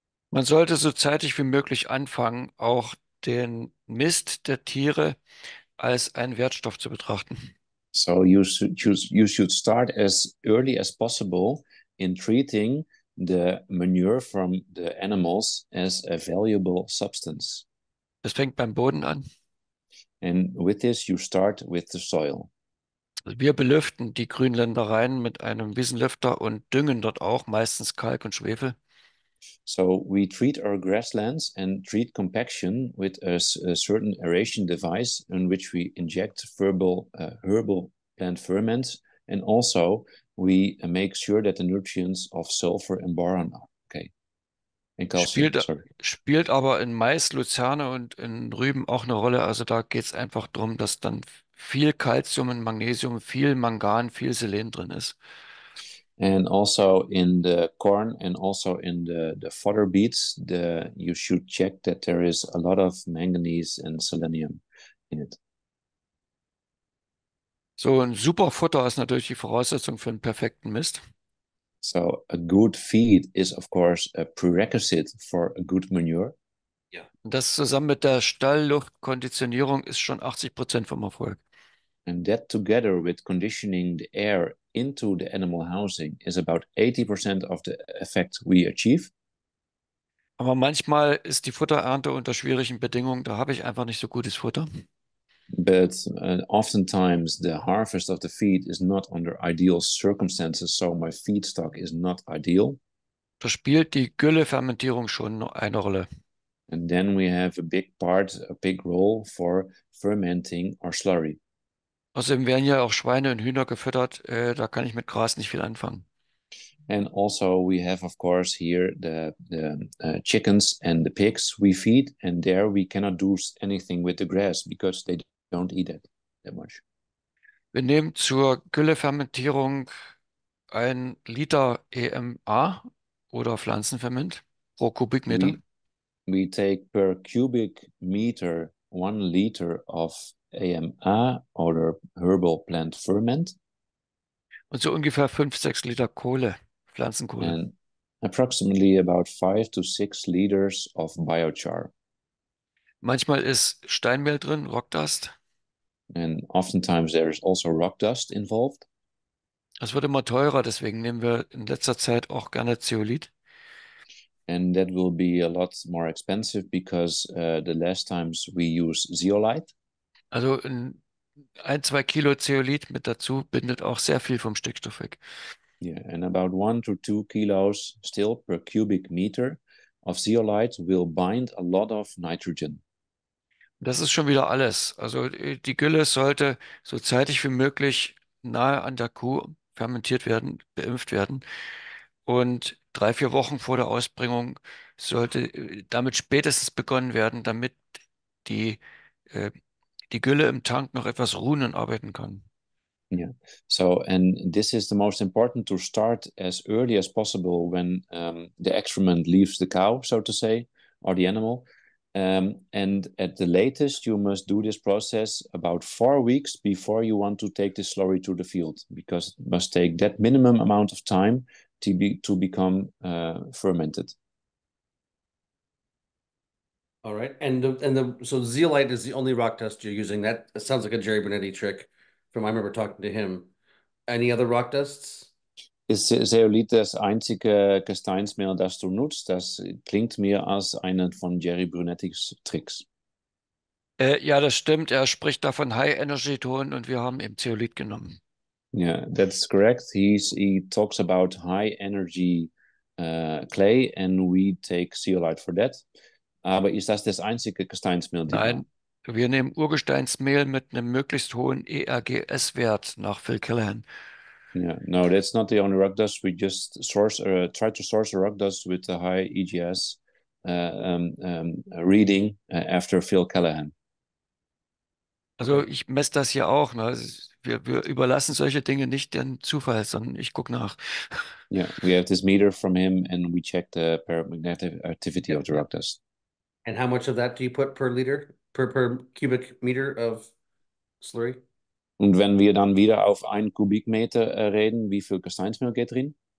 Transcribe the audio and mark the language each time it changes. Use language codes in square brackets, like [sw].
[de] Man sollte so zeitig wie möglich anfangen, auch den Mist der Tiere als einen Wertstoff zu betrachten. [en] So you should start as early as possible in treating the manure from the animals as a valuable substance. [de] Das fängt beim Boden an. [en] And with this you start with the soil. [de] Wir belüften die Grünländereien mit einem Wiesenlüfter und düngen dort auch meistens Kalk und Schwefel. [en] So we treat our grasslands and treat compaction with a certain aeration device in which we inject herbal plant ferments and also we make sure that the nutrients of sulfur and boron are In Gaussian, [de] spielt, [en] sorry. [de] spielt aber in Mais, Luzerne und in Rüben auch eine Rolle. Also da geht es einfach darum, dass dann viel Kalzium und Magnesium, viel Mangan, viel Selen drin ist. [en] And also in the corn and also in the fodder beets, the you should check that there is a lot of manganese and selenium in it. [de] So ein super Futter ist natürlich die Voraussetzung für einen perfekten Mist. [en] So a good feed is of course a prerequisite for a good manure. [de] Das zusammen mit der Stallluftkonditionierung ist schon 80% vom Erfolg. [en] And that together with conditioning the air into the animal housing is about 80% of the effect we achieve. [de] Aber manchmal ist die Futterernte unter schwierigen Bedingungen, da habe ich einfach nicht so gutes Futter. [en] But oftentimes the harvest of the feed is not under ideal circumstances, so my feedstock is not ideal. [de] Da spielt die Güllefermentierung schon eine Rolle. [en] And then we have a big role for fermenting our slurry. [de] Außerdem werden ja auch Schweine und Hühner gefüttert, da kann ich mit Gras nicht viel anfangen. [en] And also we have of course here the chickens and the pigs we feed, and there we cannot do anything with the grass because they don't eat it that much. [de] Wir nehmen zur Güllefermentierung 1 Liter EMA oder Pflanzenferment pro Kubikmeter. [en] We take per cubic meter 1 liter of AMA or herbal plant ferment. [de] Und so ungefähr 5, 6 Liter Kohle, Pflanzenkohle. [en] And approximately about 5 to 6 liters of biochar. [de] Manchmal ist Steinmehl drin, Rockdust. [en] And oftentimes there is also rock dust involved. [de] Das wird immer teurer, deswegen nehmen wir in letzter Zeit auch gerne Zeolith. [en] And that will be a lot more expensive because the last times we use zeolite. [de] Also in 1, 2 Kilo Zeolith mit dazu bindet auch sehr viel vom Stickstoff weg. [en] Yeah, and about 1 to 2 kilos still per cubic meter of zeolite will bind a lot of nitrogen. [de] Das ist schon wieder alles. Also die Gülle sollte so zeitig wie möglich nahe an der Kuh fermentiert werden, beimpft werden. Und 3, 4 Wochen vor der Ausbringung sollte damit spätestens begonnen werden, damit die Gülle im Tank noch etwas ruhen und arbeiten kann. [en] Yeah. So, and this is the most important to start as early as possible when the excrement leaves the cow, so to say, or the animal. And at the latest, you must do this process about 4 weeks before you want to take the slurry to the field, because it must take that minimum amount of time to become fermented. All right, so zeolite is the only rock dust you're using. That sounds like a Jerry Bonetti trick. From I remember talking to him. Any other rock dusts? [de] Ist Zeolith das einzige Gesteinsmehl, das du nutzt? Das klingt mir als einen von Jerry Brunettis Tricks. Ja, das stimmt. Er spricht davon High-Energy-Ton und wir haben eben Zeolith genommen. [en] Yeah, that's correct. He talks about high energy clay and we take zeolite for that. [de] Aber ist das das einzige Gesteinsmehl, die du? Nein, wir nehmen Urgesteinsmehl mit einem möglichst hohen ERGS-Wert nach Phil Killian. [en] Yeah. No, that's not the only rock dust. We just source or try to source a rock dust with a high EGS reading after Phil Callahan. [de] Also ich messe das hier auch. Ne? Wir überlassen solche Dinge nicht dem Zufall, sondern ich gucke nach. [en] Yeah, we have this meter from him and we check the paramagnetic activity of the rock dust. And how much of that do you put per liter? Per cubic meter of slurry. [de] Und wenn wir dann wieder auf 1 Kubikmeter reden, wie viel Gesteinsmehl geht drin?